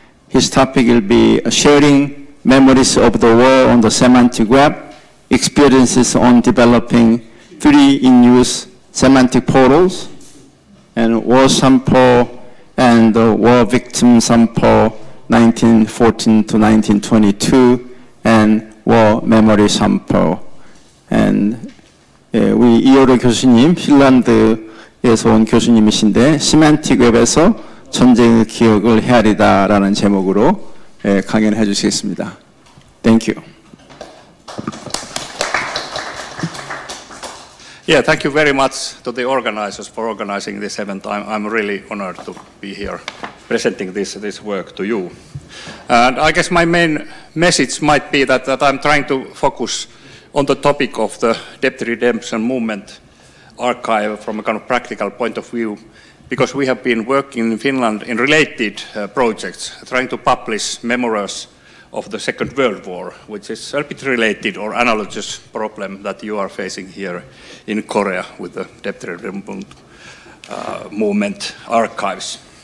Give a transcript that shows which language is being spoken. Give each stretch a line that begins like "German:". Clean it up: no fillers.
English: His topic will be sharing memories of the war on the semantic web, experiences on developing free in use semantic portals, and war sample and the war victim sample 1914 to 1922, and war memory sample.
Korean: And 우리 이어로 교수님, 핀란드에서 온 교수님이신데, 시멘틱 웹에서 전쟁의 기억을 헤아리다 라는 제목으로 강연을 해주시겠습니다.
English: Thank you. Yeah, thank you very much to the organizers for organizing this event. I'm really honored to be here presenting this work to you. And I guess my main message might be that I'm trying to focus on the topic of the debt redemption movement archive from a kind of practical point of view, because we have been working in Finland in related projects, trying to publish memoirs of the Second World War, which is a bit related or analogous problem that you are facing here in Korea with the debt redemption movement archives.